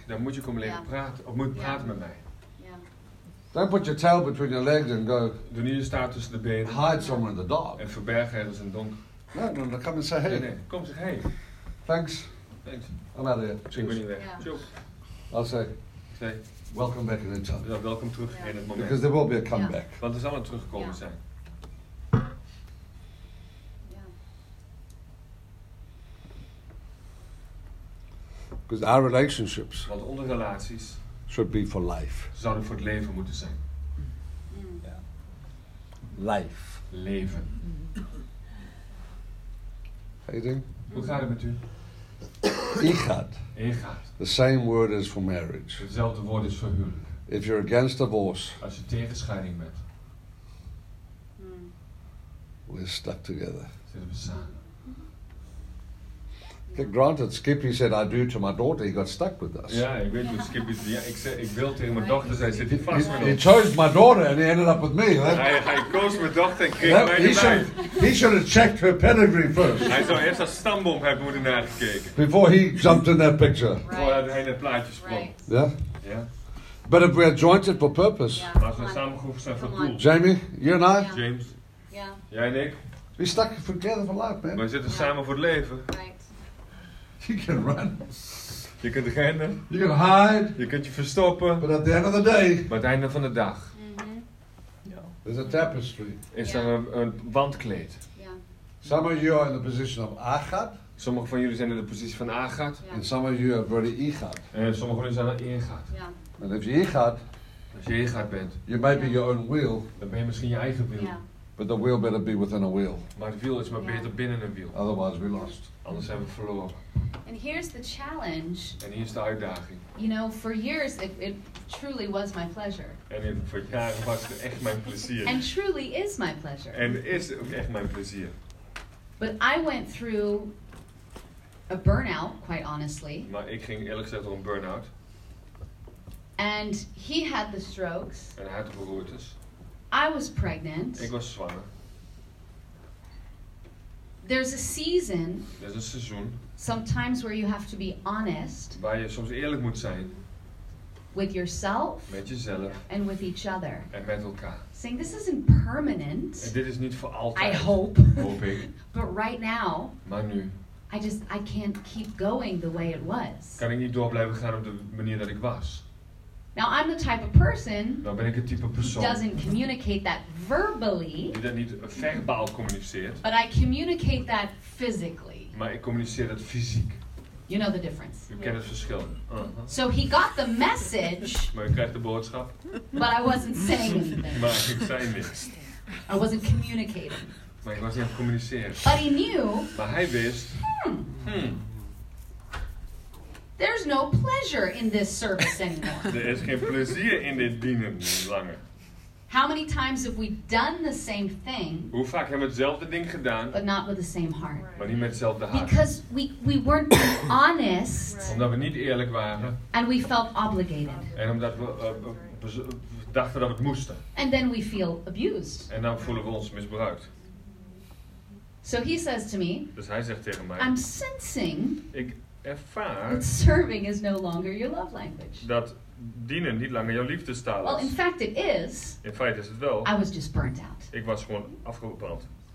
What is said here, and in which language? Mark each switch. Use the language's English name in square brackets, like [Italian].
[Dutch] Dan moet je komen leren praten, of moet praten met mij. [English] Don't put your tail between your legs and go. [Dutch] Doe niet je staart tussen de benen. [English] Hide somewhere in the dark. [Dutch] En verberg ergens in het donker. [English] No, no, no, come and say hey. [Dutch] Nee, kom zeg hey. [English] Thanks. Thanks. I'm out of here. Cheers. [Dutch] Ik ben hier weg. [English] Yeah. I'll say. Say. Welcome back in the chat. [Dutch] Ja, welkom terug in het moment. [English] Because there will be a comeback. [Dutch] Want er zal een terugkomen zijn. [English] Because our relationships, [Dutch] want onze relaties, [English] should be for life. [Dutch] Zouden voor het leven moeten zijn. Mm. [English] Yeah. Life. [Dutch] Leven. Hoe gaat het met u? Egad. Egad. [English] The same word is for marriage. [Dutch] Hetzelfde woord is voor huwelijk. [English] If you're against divorce, [Dutch] als je tegen scheiding bent, [English] we're stuck together. [Dutch] Zitten we samen. [English] Granted, Skippy said, I do to my daughter. He got stuck with us. Yeah, I went to Skippy. [Dutch] Ik wil tegen mijn dochter zijn. Zit hij vast met ons? [English] He chose my daughter and he ended up with me. [Dutch] Hij koos mijn dochter en kreeg mij erbij. [English] He should have checked her pedigree first. [Dutch] Hij zou eerst haar stamboom hebben moeten nagekeken. [English] Before he jumped in that picture. [Dutch] Voordat hij in het plaatje sprong. [English] Right. Yeah? Yeah. But if we are jointed for purpose. [Dutch] Maar als we samengevoegd zijn voor doel. [English] Jamie, you and I? Yeah. James. Yeah. [Dutch] Jij en ik? [English] We stuck together for life, man. [Dutch] We zitten samen voor het leven. [English] Right. You can run. [Dutch] Je kunt rennen. [English] You can hide. [Dutch] Je kunt je verstoppen. [English] But at the end of the day. [Dutch] Maar het einde van de dag. [English] There's a tapestry. [Dutch] Is er een wandkleed. [English] Yeah. Some of you are in the position of Agat. [Dutch] Sommige van jullie zijn in de positie van Agat. [English] Yeah. And some of you are very Egad. [Dutch] En sommige van jullie zijn een Egad. [English] And if you're Egad. [Dutch] Als je Egad bent. [English] You may be your own wheel. [Dutch] Dan ben je misschien je eigen wiel. [English] Yeah. But the wheel better be within a wheel. [Dutch] Maar het wiel is maar beter binnen een wiel. [English] Otherwise we lost. [Dutch] Anders zijn we verloren. [English] And here's the challenge. [Dutch] En hier is de uitdaging. [English] You know, for years it truly was my pleasure. [Dutch] En voor jaren was het echt mijn plezier. [English] And truly is my pleasure. [Dutch] En is ook echt mijn plezier. [English] But I went through a burnout, quite honestly. [Dutch] Maar ik ging eerlijk gezegd door een burnout. [English] And he had the strokes. [Dutch] En hij had de beroertes. [English] I was pregnant. [Dutch] Ik was zwanger. [English] There's a season. There's a seizoen. Sometimes where you have to be honest. [Dutch] Waar je soms eerlijk moet zijn. [English] With yourself. [Dutch] Met jezelf. [English] And with each other. [Dutch] En met elkaar. [English] Saying this isn't permanent. [Dutch] En dit is niet voor altijd. [English] I hope. [Dutch] Hoop ik. [English] But right now. [Dutch] Maar nu. [English] I can't keep going the way it was. [Dutch] Kan ik niet door blijven gaan op de manier dat ik was. [English] Now I'm the type of person. [Dutch] Dan ben ik het type persoon. [English] Who doesn't communicate that verbally. [Dutch] Die dat niet verbaal communiceert. [English] But I communicate that physically. [Dutch] Maar ik communiceer dat fysiek. [English] You know the difference. [Dutch] U kent het verschil. Uh-huh. [English] So he got the message. [Dutch] Maar u krijgt de boodschap. [English] But I wasn't saying anything. [Dutch] Maar ik zei niks. [English] I wasn't communicating. [Dutch] Maar ik was niet aan het communiceren. [English] But he knew. [Dutch] Maar hij wist. [English] There's no pleasure in this service anymore. [Dutch] Er is geen plezier in dit dienen langer. [English] How many times have we done the same thing? [Dutch] Hoe vaak hebben we hetzelfde ding gedaan? [English] But not with the same heart. [Dutch] Maar niet met hetzelfde hart. [English] Because we weren't honest. [Dutch] Omdat we niet eerlijk waren. [English] And we felt obligated. [Dutch] En omdat we dachten dat we het moesten. [English] And then we feel abused. [Dutch] En dan voelen we ons misbruikt. [English] So he says to me. [Dutch] Dus hij zegt tegen mij. [English] I'm sensing. [Dutch] Ik [English] that serving is no longer your love language. [Dutch] Dat dienen niet langer jouw liefdestaal is. [English] Well, in fact it is. [Dutch] In feite is het wel. [English] I was just burnt out. [Dutch] Ik was gewoon afgebrand.